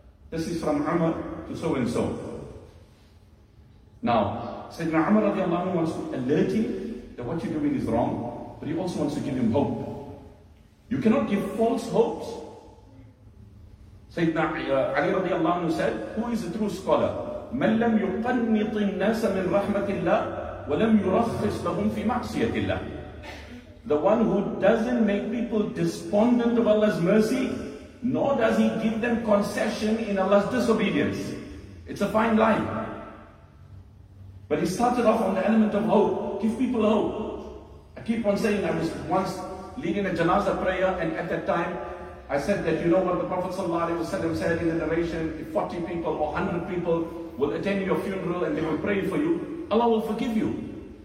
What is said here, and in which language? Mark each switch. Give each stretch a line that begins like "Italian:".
English: This is from Umar to so and so. Now, Sayyidina Umar radiallahu anhu wants to alert him that what you're doing is wrong, but he also wants to give him hope. You cannot give false hopes. Sayyidina Ali radiallahu anhu said, who is a true scholar?
Arabic: مَنْ لَمْ يُقَنِّطِ النَّاسَ مِنْ رَحْمَةِ اللَّهِ وَلَمْ يُرَخِّصْ لَهُمْ فِي مَعْصِيَةِ اللَّهِ.
English: The one who doesn't make people despondent of Allah's mercy nor does he give them concession in Allah's disobedience. It's a fine line. But he started off on the element of hope. Give people hope. I keep on saying, I was once leading a janazah prayer, and at that time, I said that, you know what the Prophet said in the narration, if 40 people or 100 people will attend your funeral and they will pray for you, Allah will forgive you.